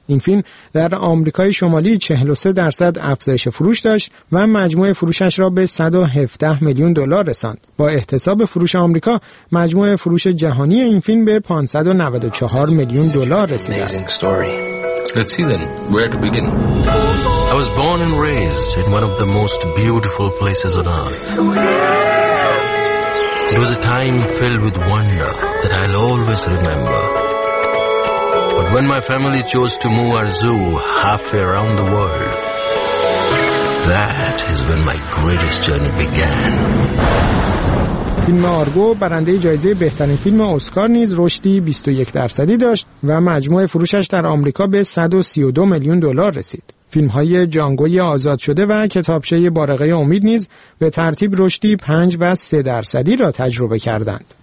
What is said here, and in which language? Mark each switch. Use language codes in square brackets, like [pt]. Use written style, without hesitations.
[fa] این فیلم در آمریکای شمالی 43% افزایش فروش داشت و مجموع فروشش را به 117 میلیون دلار رساند. با احتساب فروش آمریکا، مجموع فروش جهانی این فیلم به 594 میلیون دلار رسیده است. [en] Let's see then, where to begin? I was born and raised in one of the most beautiful places on earth. It was a time filled with wonder that I'll always remember. But when my family chose to move our zoo halfway around the world, that is when my greatest journey began. [fa] فیلم آرگو برنده جایزه بهترین فیلم اسکار نیز رشدی 21% داشت و مجموع فروشش در آمریکا به 132 میلیون دلار رسید. فیلم‌های جانگوی آزاد شده و کتابچه بارقه امید نیز به ترتیب رشدی 5% و 3% را تجربه کردند.